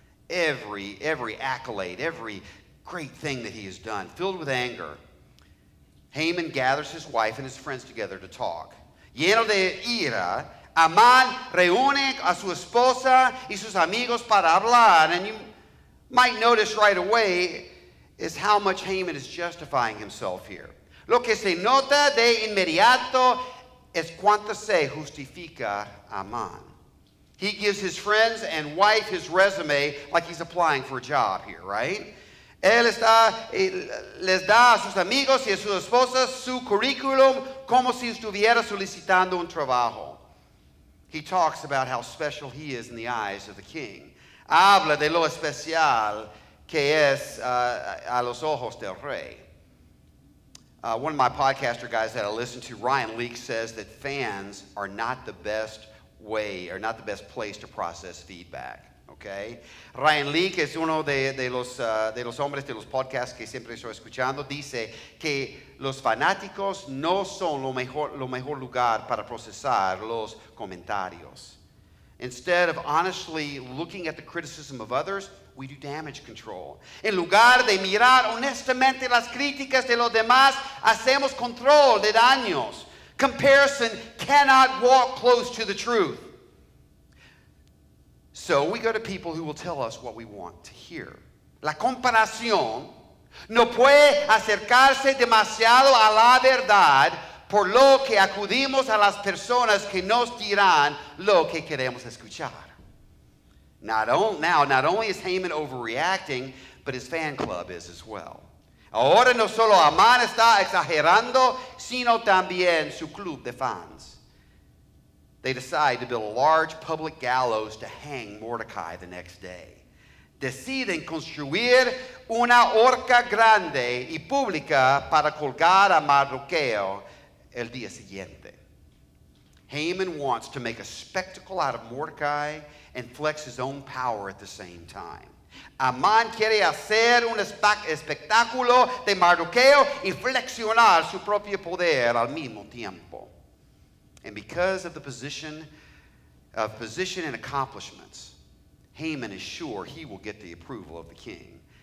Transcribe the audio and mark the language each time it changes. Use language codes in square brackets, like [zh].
[en] Every accolade, every great thing that he has done, filled with anger, Haman gathers his wife and his friends together to talk. [es] lleno de ira, Amán reúne a su esposa y sus amigos para hablar. [en] And you might notice right away is how much Haman is justifying himself here. [es] Lo que se nota de inmediato es cuánto se justifica Amán. [en] He gives his friends and wife his resume like he's applying for a job here, right? [es] Él está, les da a sus amigos y a sus esposas su currículum como si estuviera solicitando un trabajo. [en] He talks about how special he is in the eyes of the king. [es] Habla de lo especial que es a los ojos del rey. [en] One of my podcaster guys that I listen to, Ryan Leake, says that fans are not the best way, or not the best place to process feedback. [es] Okay, Ryan Leake es uno de los hombres de los podcasts que siempre estoy escuchando. Dice que los fanáticos no son lo mejor lugar para procesar los comentarios. [en] Instead of honestly looking at the criticism of others, we do damage control. [es] En lugar de mirar honestamente las críticas de los demás, hacemos control de daños. [en] Comparison cannot walk close to the truth. So we go to people who will tell us what we want to hear. [es] La comparación no puede acercarse demasiado a la verdad, por lo que acudimos a las personas que nos dirán lo que queremos escuchar. [en] Not only is Haman overreacting, but his fan club is as well. [es] Ahora no solo Amán está exagerando, sino también su club de fans. [en] They decide to build a large public gallows to hang Mordecai the next day. [es] Deciden construir una horca grande y pública para colgar a Mardoqueo el día siguiente. [en] Haman wants to make a spectacle out of Mordecai and flex his own power at the same time. [es] Amán quiere hacer un espectáculo de Mardoqueo y flexionar su propio poder al mismo tiempo. [en] And because of the position and accomplishments, Haman is sure he will get the approval of the king.